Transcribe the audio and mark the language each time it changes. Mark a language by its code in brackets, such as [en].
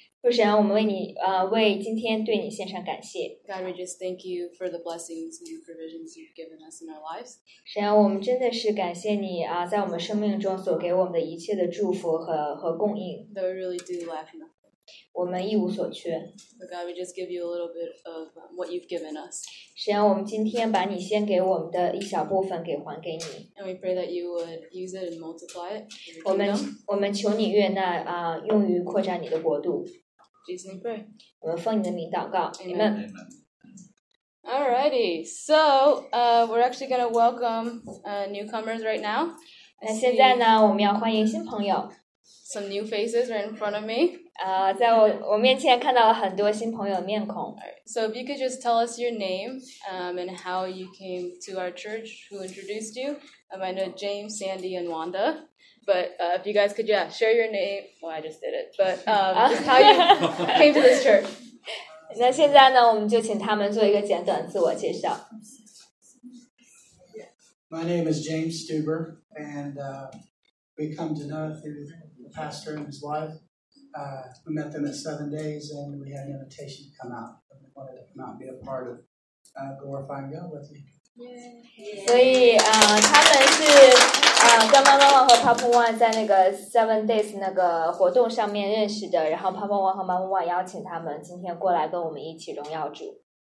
[zh] 父神，我们为你为今天对你献上感谢。 [en] God, we just thank you for the blessings and provisions you've given us in our lives. [zh] 神，我们真的是感谢你在我们生命中所给我们的一切的祝福和供应。 [en] Though we really do lack nothing. [zh] 我们一无所缺。 [en] But God, we just give you a little bit of what you've given us. [zh] 神，我们今天把你先给我们的一小部分给还给你。 [en] And we pray that you would use it and multiply it. [zh] 我们求你悦纳用于扩展你的国度。 [en] Jesus, we pray. [zh] 我们奉你的名祷告。 [en] Amen. Amen. Alrighty, so we're actually going to welcome newcomers right now. [zh] 那现在呢，我们要欢迎新朋友。 [en] Some new faces are in front of me. [zh] 在我面前看到了很多新朋友的面孔。 [en] Right. So if you could just tell us your name, and how you came to our church, who introduced you. I know James, Sandy, and Wanda. But if you guys could, yeah, share your name. Well, I just did it. But just how you came to this church. [zh] 那现在呢，我们就请他们做一个简短自我介绍。 [en] My name is James Stuber, and we come to know through the pastor and his wife. We met them at 7 days, and we had an invitation to come out. We wanted to come out and be a part of glorifying God with me. [zh] Yeah. 所以他们是跟妈妈旺和 Papa Wang 在那个 Seven Days 那个活动上面认识的，然后 Papa Wang 和妈妈旺邀请他们今天过来跟我们一起荣耀主。